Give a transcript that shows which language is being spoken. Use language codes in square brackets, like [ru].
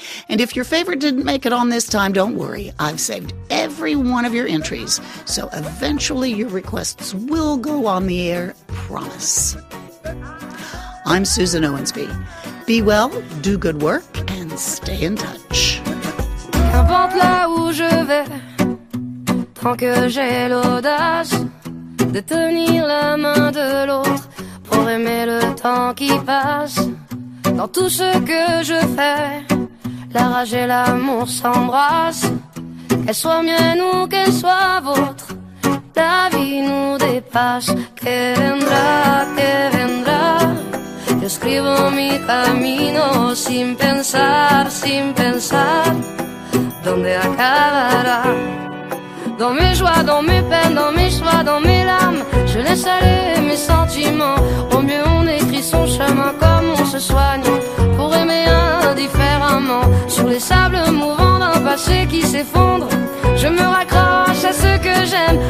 [en] And if your favorite didn't make it on this time, don't worry. I've saved every one of your entries, so eventually your requests will go on the air, promise. I'm Susan Owensby. Be well, do good work, and stay in touch. [fr] Qu'importe là où je vais, tant que j'ai l'audace de tenir la main de l'autre pour aimer le temps qui passe. Dans tout ce que je fais, la rage et l'amour s'embrassent. Qu'elle soit mienne ou qu'elle soit vôtre, la vie nous dépasse. [es] Que vendrá, que vendrá. Yo escribo mi camino sin pensar, sin pensar. ¿Dónde acabará? [fr] dans mes joies, dans mes peines, dans mes choix, dans mes larmes. Je laisse aller mes sentiments. Au mieux on écrit son chemin comme on se soigne pour aimer indifféremment. Sur les sables mouvants d'un passé qui s'effondre, je me raccroche à ce que j'aime.